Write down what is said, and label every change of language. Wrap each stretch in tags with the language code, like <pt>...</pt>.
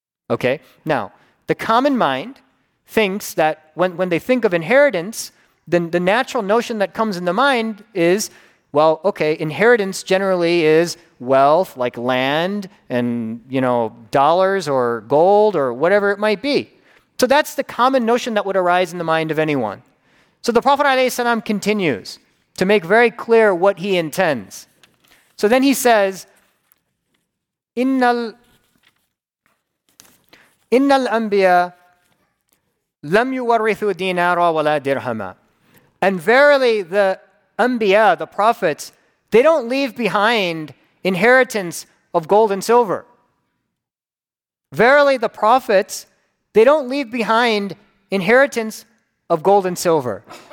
<en>Okay, now, the common mind thinks that when they think of inheritance, then the natural notion that comes in the mind is, well, okay, inheritance generally is wealth, like land and, you know, dollars or gold or whatever it might be. So that's the common notion that would arise in the mind of anyone. So the Prophet ﷺ continues to make very clear what he intends. So then he says,</en> <ar>إِنَّ الْأَنْبِيَا لَمْ يُوَرِّثُوا دِينَارًا وَلَا دِرْهَمًا.</ar> <en>And verily, the anbiya, the prophets, they don't leave behind inheritance of gold and silver. Verily, the prophets, they don't leave behind inheritance of gold and silver.</en>